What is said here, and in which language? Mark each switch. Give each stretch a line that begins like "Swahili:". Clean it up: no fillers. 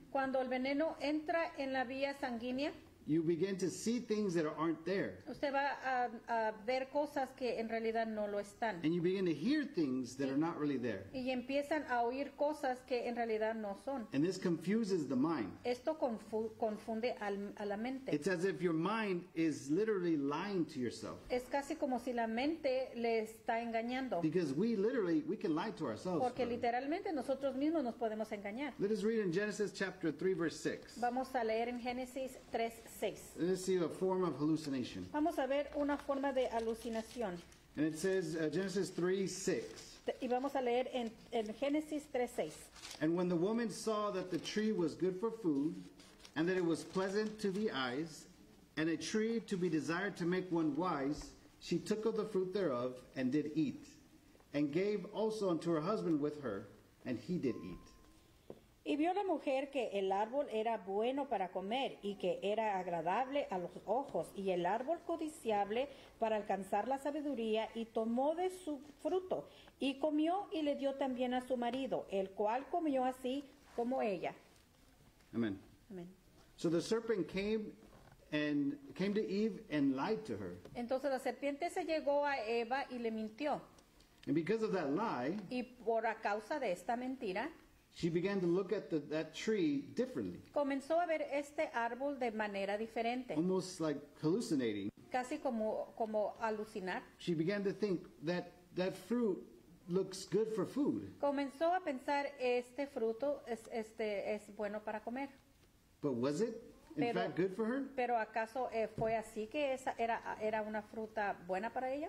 Spanish: Cuando el veneno entra en la vía sanguínea.
English: You begin to see things that aren't there.
Spanish: Usted va a ver cosas que en realidad no lo están.
English: And you begin to hear things that are not really there.
Spanish: Y empiezan a oír cosas que en realidad no son.
English: And this confuses the mind.
Spanish: Esto confunde a la mente.
English: It's as if your mind is literally lying to yourself.
Spanish: Es casi como si la mente le está engañando.
English: Because we can lie to ourselves.
Spanish: Porque literalmente nosotros mismos nos podemos engañar.
English: Let us read in Genesis chapter 3 verse 6.
Spanish: Vamos a leer en Génesis 3.
English: Let us see a form of hallucination.
Spanish: Vamos a ver una forma de alucinación.
English: And it says Genesis 3:6.
Spanish: Y vamos a leer en Génesis 3:6.
English: And when the woman saw that the tree was good for food, and that it was pleasant to the eyes, and a tree to be desired to make one wise, she took of the fruit thereof and did eat, and gave also unto her husband with her, and he did eat.
Spanish: Y vio la mujer que el árbol era bueno para comer y que era agradable a los ojos y el árbol codiciable para alcanzar la sabiduría y tomó de su fruto y comió y le dio también a su marido, el cual comió así como ella.
English: Amen.
Spanish: Amen.
English: So the serpent came to Eve and lied to her.
Spanish: Entonces la serpiente se llegó a Eva y le mintió.
English: And because of that lie.
Spanish: Y por a causa de esta mentira.
English: She began to look at that tree differently.
Spanish: Comenzó a ver este árbol de manera diferente.
English: Almost like hallucinating.
Spanish: Casi como alucinar.
English: She began to think that fruit looks good for food.
Spanish: Comenzó a pensar este fruto es bueno para comer.
English: But was it in fact good for her?
Spanish: Pero acaso fue así que esa era una fruta buena para ella?